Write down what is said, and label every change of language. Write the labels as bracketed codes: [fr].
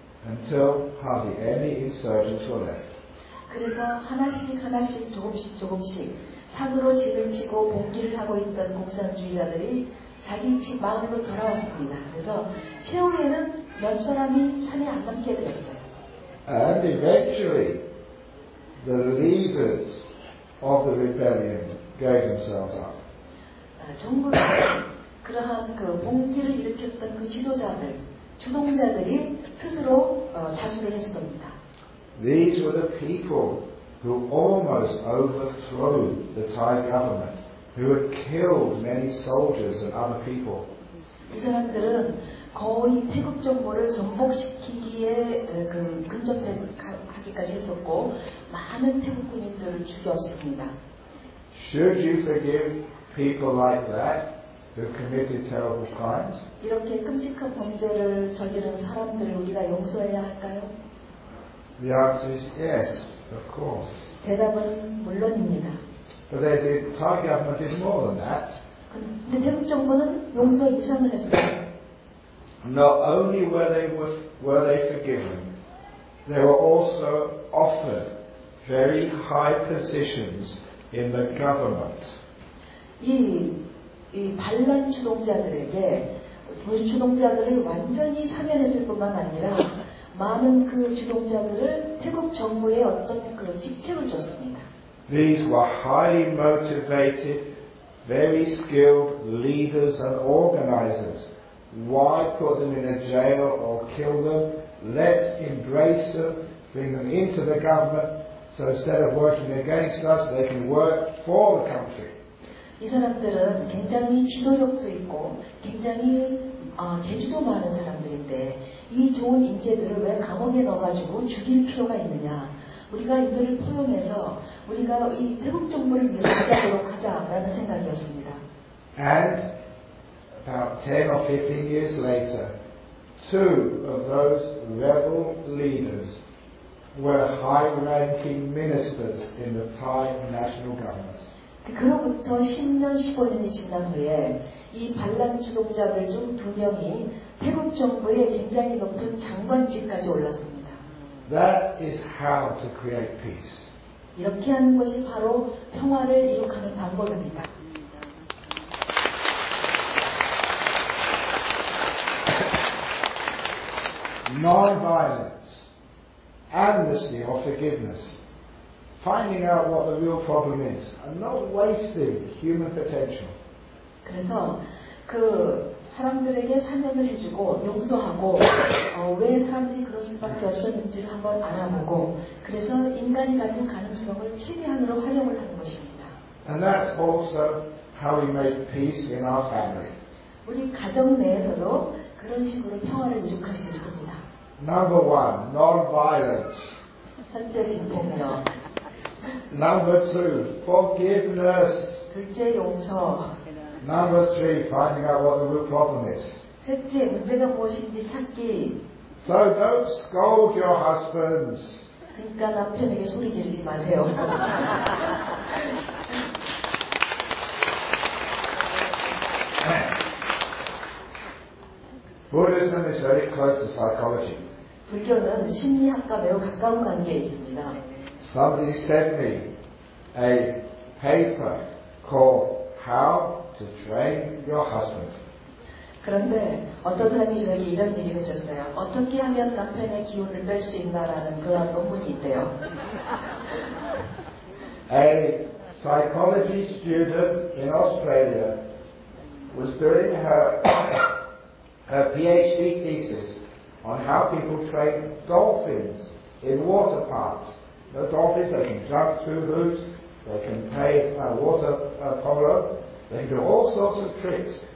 [en] Until hardly any insurgents were left. [ko] 그래서 하나씩 하나씩 조금씩 조금씩 산으로 집을 치고 복귀를 하고 있던 공산주의자들이 자기 집 마음으로 돌아왔습니다. 그래서 최후에는 몇 사람이 산에 안 남게 되었어요. [en] And eventually, the leaders of the rebellion gave themselves up. [ko] 정부가 그러한 그 복귀를 일으켰던 그 지도자들. 주동자들이 스스로 자수를 했습니다. [en] These were the people who almost overthrew the Thai government, who had killed many soldiers and other people. [ko] 이 사람들은 거의 태국 정부를 전복시키기에 그 근접하기까지 했었고 많은 태국 군인들을 죽였습니다. [en] Should you forgive people like that? Who committed terrible crimes? [ko] 이렇게 끔찍한 범죄를 저지른 사람들을 우리가 용서해야 할까요? [en] The answer is yes, of course. [ko] 대답은 물론입니다. [en] But they did. Thai government did more than that. [ko] 근데 태국 정부는 용서 이상을 했습니다. [en] Not only were they forgiven, they were also offered very high positions in the government. [ko] 이 반란 추동자들에게 추동자들을 완전히 사면했을 뿐만 아니라 많은 그 추동자들을 태국 정부에 어떤 그 직책을 줬습니다. [en] These were highly motivated, very skilled leaders and organizers. Why put them in a jail or kill them? Let's embrace them, bring them into the government. So instead of working against us, they can work for the country. [ko] 이 사람들은 굉장히 지도력도 있고 굉장히 재주도 많은 사람들인데 이 좋은 인재들을 왜 감옥에 넣어가지고 죽일 필요가 있느냐 우리가 이들을 포용해서 우리가 이 태국 정부를 위해서도록 하자라는 생각이었습니다. [en] And about 10 or 15 years later, two of those rebel leaders were high-ranking ministers in the Thai national government. [ko] 그로부터 10년, 15년이 지난 후에 이 반란 주동자들 중 두 명이 태국 정부의 굉장히 높은 장관직까지 올랐습니다. [en] That is how to create peace. [ko] 이렇게 하는 것이 바로 평화를 이룩하는 방법입니다. [en] Non-violence, amnesty or forgiveness. Finding out what the real problem is and not wasting human potential. [ko] 그래서 그 사람들에게 사면을 해주고 용서하고 왜 사람들이 그럴 수밖에 없었는지를 한번 알아보고 그래서 인간이 가진 가능성을 최대한으로 활용을 하는 것입니다. [en] And that's also how we make peace in our family. [ko] 우리 가정 내에서도 그런 식으로 평화를 이룩할 수 있습니다. [en] Number one, non-violence. [ko] 첫째는 보면요. [en] Number two, forgiveness. [ko] 둘째, 용서. [en] Number three, finding out what the root problem is. [ko] 셋째 문제가 무엇인지 찾기. [en] So don't scold your husbands. [ko] 그러니까 남편에게 소리 지르지 마세요. [en] Buddhism is very close to psychology. [ko] 불교는 심리학과 매우 가까운 관계에 있습니다. [en] Somebody sent me a paper called How to Train Your Husband. [ko] 그런데 어떤 사람이 저에게 이런 얘기를 해줬어요. 어떻게 하면 남편의 기운을 뺄 수 있나라는 그런 논문이 있대요. [en] A psychology student in Australia was doing her PhD thesis on how people train dolphins in water parks. The dolphins, they can jump through hoops, they can play water polo, they can do all sorts of tricks.